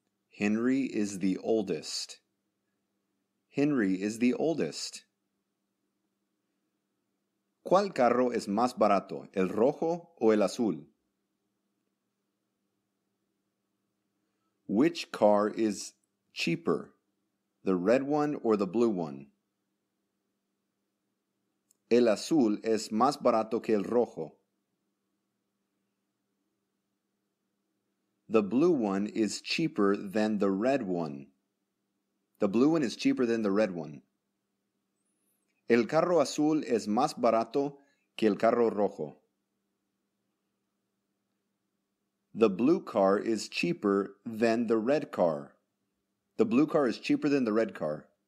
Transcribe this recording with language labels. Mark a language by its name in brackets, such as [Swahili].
[English] Henry is the oldest. Henry is the oldest. [Spanish] ¿Cuál carro es más barato, el rojo o el azul? [English] Which car is cheaper, the red one or the blue one? [Spanish] El azul es más barato que el rojo. [English] The blue one is cheaper than the red one. The blue one is cheaper than the red one. [Spanish] El carro azul es más barato que el carro rojo. [English] The blue car is cheaper than the red car. The blue car is cheaper than the red car.